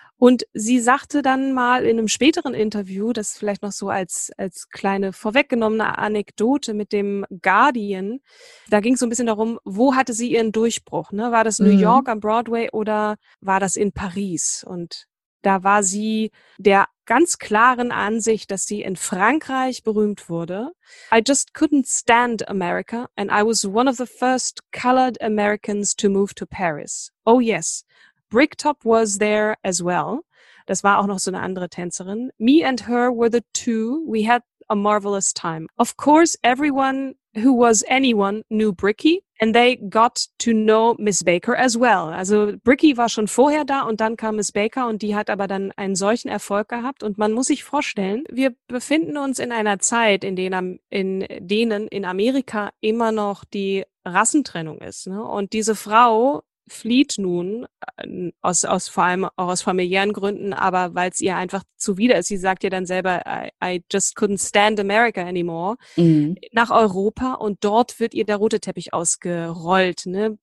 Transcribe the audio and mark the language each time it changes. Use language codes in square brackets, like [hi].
[de] Und sie sagte dann mal in einem späteren Interview, das vielleicht noch so als kleine vorweggenommene Anekdote mit dem Guardian, da ging es so ein bisschen darum, wo hatte sie ihren Durchbruch? Ne? War das New York am Broadway oder war das in Paris? Und da war sie der ganz klaren Ansicht, dass sie in Frankreich berühmt wurde. [en] I just couldn't stand America and I was one of the first colored Americans to move to Paris. Oh yes. Bricktop was there as well. [de] Das war auch noch so eine andere Tänzerin. [en] Me and her were the two. We had a marvelous time. Of course, everyone who was anyone knew Bricky and they got to know Miss Baker as well. [de] Also Bricky war schon vorher da und dann kam Miss Baker und die hat aber dann einen solchen Erfolg gehabt. Und man muss sich vorstellen, wir befinden uns in einer Zeit, in denen in Amerika immer noch die Rassentrennung ist. Ne? Und diese Frau flieht nun aus vor allem auch aus familiären Gründen, aber weil es ihr einfach zuwider ist. Sie sagt ja dann selber, [en] I just couldn't stand America anymore, [de] nach Europa, und dort wird ihr der rote Teppich ausgerollt. Ne?